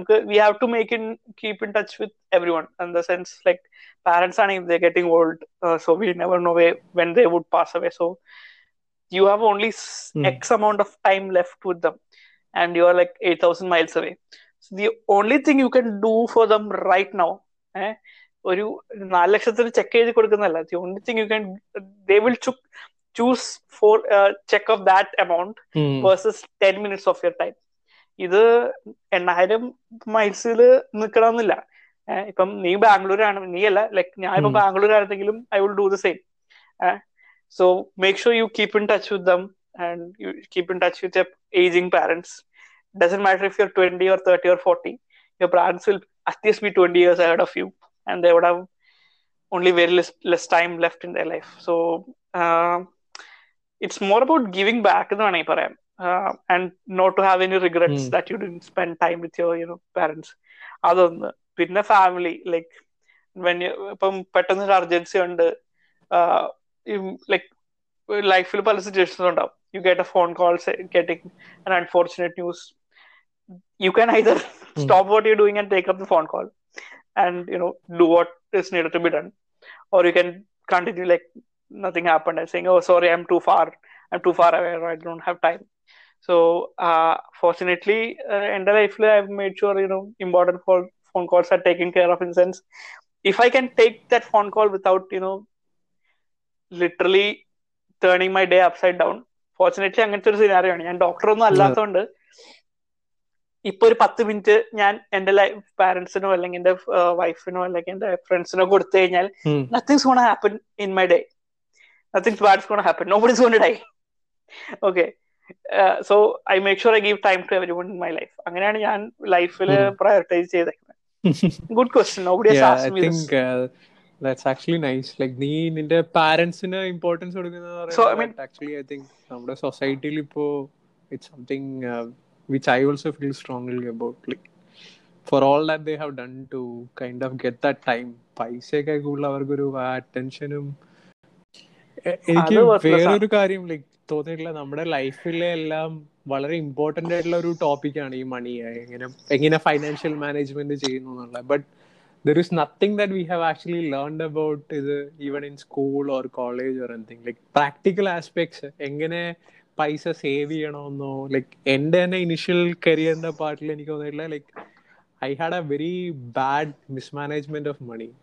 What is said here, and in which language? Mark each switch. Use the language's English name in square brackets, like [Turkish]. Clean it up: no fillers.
[English] we have to make in keep in touch with everyone in the sense like parents are if they're getting old so we never know when they would pass away so you have only x amount of time left with them and you are like 8000 miles away so the only thing you can do for them right now [Malayalam] oru 4 lakhathil check edi kodukunnalla [English] the only thing you can they will choose for check of that amount versus 10 minutes of your time. [Malayalam] ഇത് 8000 മൈൽസിൽ നിക്കണമെന്നില്ല. ഇപ്പം നീ ബാംഗ്ലൂരാണ്, നീ അല്ല like ഞാൻ ഇപ്പൊ Bangalore ആയിരുന്നെങ്കിലും [English] I will do the same. So make sure you keep in touch with them and you keep in touch with ageing parents. Doesn't matter if you are 20 or 30 or 40, your parents will at least be 20 years ahead of you and they would have only very less time left in their life. So it's more about giving back [Malayalam] എന്ന് വേണമെങ്കിൽ പറയാം. [English] And not to have any regrets that you didn't spend time with your, you know, parents. [Malayalam] Adonnu pinna family [English] like when you [Malayalam] ippam pettanu urgency undu [English] like [Malayalam] life il pala situations undav, [English] you get a phone call say, getting an unfortunate news, you can either stop what you're doing and take up the phone call and, you know, do what is needed to be done, or you can continue like nothing happened and saying, oh sorry, I'm too far away or I don't have time. So fortunately in my life I've made sure, you know, important phone calls are taken care of, in sense if I can take that phone call without, you know, literally turning my day upside down. [Malayalam] Fortunately അങ്ങനത്തെ ഒരു scenario ആണ്. ഞാൻ doctor ഒന്നും അല്ലാത്തതുകൊണ്ട് ഇപ്പൊ ഒരു 10 minute ഞാൻ എന്റെ ലൈഫ് പാരന്റ്സിനോ അല്ലെങ്കിൽ എന്റെ വൈഫിനോ അല്ലെങ്കിൽ എന്റെ ഫ്രണ്ട്സിനോ കൊടുത്തു കഴിഞ്ഞാൽ [English] Nothing's gonna happen in my day, nothing's bad's gonna happen, nobody gonna die. Okay, so I make sure I give time to everyone in my life. [Malayalam] അങ്ങനെയാണ് ഞാൻ ലൈഫിൽ പ്രയോറിറ്റൈസ് ചെയ്തേക്കുന്നത്. [English] Good question, nobody has asked me this. That's actually nice. Like, [Malayalam] നീ നിന്റെ പാരന്റ്സിന് importance കൊടുക്കുന്നത് actually [English] I think [Malayalam] നമ്മുടെ സൊസൈറ്റിയിൽ ഇപ്പോ [English] It's something which I also feel strongly about. Like for all that they have done to kind of get that time, [Malayalam] പൈസയൊക്കെ കൂടുതൽ അവർക്കൊരു അറ്റൻഷനും. എനിക്ക് വേറൊരു കാര്യം ലൈക്ക് തോന്നിയിട്ടില്ല, നമ്മുടെ ലൈഫിലെ എല്ലാം വളരെ ഇമ്പോർട്ടൻ്റ് ആയിട്ടുള്ള ഒരു ടോപ്പിക്കാണ് ഈ മണി, എങ്ങനെ എങ്ങനെ ഫൈനാൻഷ്യൽ മാനേജ്മെന്റ് ചെയ്യുന്നു എന്നുള്ളത്. [English] but there is nothing that we have actually learned about is even in school or college or anything like practical aspects [Malayalam] engane paisa save cheyanonno. [English] Like [Malayalam] ende ana initial career inda part il enikku thonnilla [English] like I had a very bad mismanagement of money.